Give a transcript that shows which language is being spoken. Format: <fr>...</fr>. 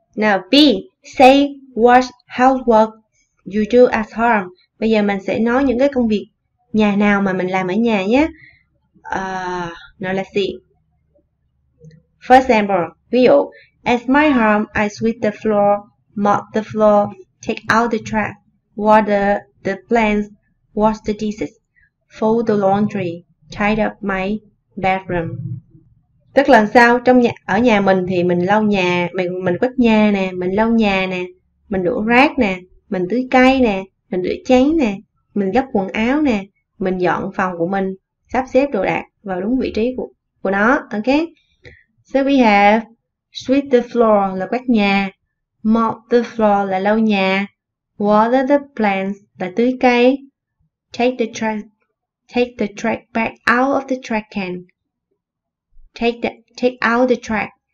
<en>Now B, say what housework you do at home.</en> <vi>Bây giờ mình sẽ nói những cái công việc nhà nào mà mình làm ở nhà nhé.</vi> <en>Now let's see. For example,</en> <vi>ví dụ,</vi> <en>at my home, I sweep the floor, mop the floor, take out the trash, water the plants, wash the dishes, fold the laundry, tidy up my bedroom.</en> <vi>Tức là sao? Trong nhà, ở nhà mình thì mình lau nhà, mình quét nhà nè, mình lau nhà nè, mình đổ rác nè, mình tưới cây nè, mình rửa chén nè, mình gấp quần áo nè, mình dọn phòng của mình, sắp xếp đồ đạc vào đúng vị trí của nó.</vi> <en>Ok? So we have sweep the floor</en> <vi>là quét nhà,</vi> <en>mop the floor</en> <vi>là lau nhà,</vi> <en>water the plants</en> <vi>là tưới cây,</vi> <en>take the trash back out of the trash can. Take out the trash.</en>